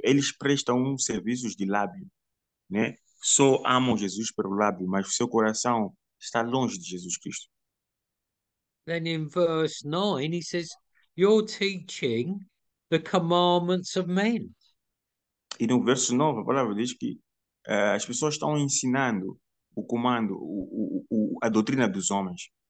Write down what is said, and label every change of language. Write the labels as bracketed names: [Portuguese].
[Portuguese] Eles prestam serviços de lábio, né? Só amam Jesus pelo lábio, mas o seu coração está longe de Jesus Cristo. [English] Then in verse 9, he says, you're teaching the commandments of men. [Portuguese] E no verso 9, a palavra diz que as pessoas estão ensinando o comando, a doutrina dos homens.